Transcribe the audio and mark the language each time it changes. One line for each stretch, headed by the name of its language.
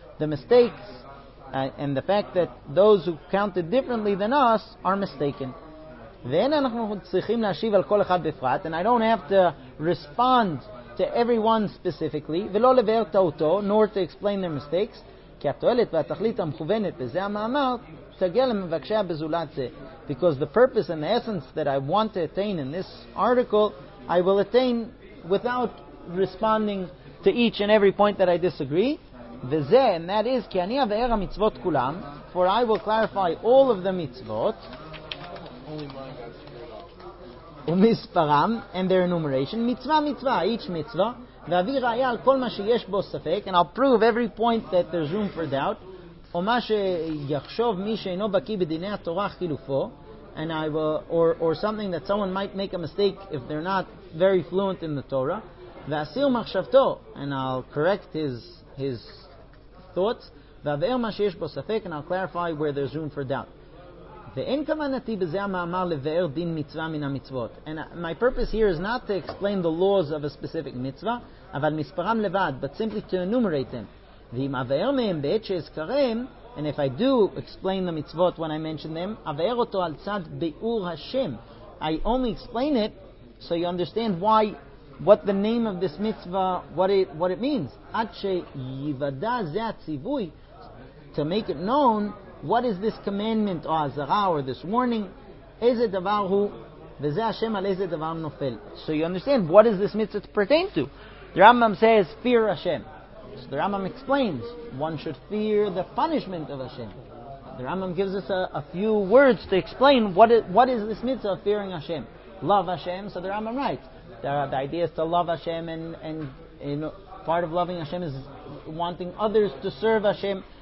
English: The mistakes and the fact that those who counted differently than us are mistaken. Then
Hebrew: אנחנו צריכים להשיב על כל אחד בפרט,
English: and I don't have to respond to everyone specifically,
Hebrew: ולא לבאר טעותו,
English: nor to explain their mistakes,
Hebrew: כי התועלת והתכלית המכוונת בזה המאמר תגיע למבקשי הבזולת זה.
English: Because the purpose and the essence that I want to attain in this article, I will attain without responding to each and every point that I disagree.
Hebrew: וזה,
English: and that is,
Hebrew: כי אני אבאר המצוות כולם,
English: for I will clarify all of the mitzvot,
Hebrew: ומספרם,
English: and their enumeration,
Hebrew: מצווה מצווה,
English: each mitzvah,
Hebrew: ואביא ראיה על כל מה שיש בו ספק,
English: and I'll prove every point that there's room for doubt,
Hebrew: או מה שיחשוב מי שאינו בקי בדיני התורה חילופו,
English: and I will, or something that someone might make a mistake if they're not very fluent in the Torah,
Hebrew: ואסיר מחשבתו,
English: and I'll correct his thoughts,
Hebrew: ואבאר מה שיש בו ספק,
English: and I'll clarify where there's room for doubt.
Hebrew: ואין כוונתי בזה המאמר לבאר דין מצווה מן המצוות.
English: And my purpose here is not to explain the laws of a specific mitzvah,
Hebrew: אבל מספרם לבד,
English: but simply to enumerate them.
Hebrew: ואם אבאר מהם בעת שאזכרם,
English: and if I do explain the mitzvot when I mention them,
Hebrew: אבאר אותו על צד ביאור השם.
English: I only explain it so you understand why, what the name of this mitzvah, what it means.
Hebrew: עד שיוודא זה הציווי,
English: to make it known, what is this commandment or azara or this warning?
Hebrew: איזה דבר הוא, וזה השם על איזה דבר נופל.
English: So you understand, what does this mitzvah pertain to? The Rambam says, fear Hashem. So the Rambam explains, one should fear the punishment of Hashem. The Rambam gives us a few words to explain what is this mitzvah of fearing Hashem. Love Hashem, so the Rambam writes. The idea is to love Hashem, and part of loving Hashem is wanting others to serve Hashem.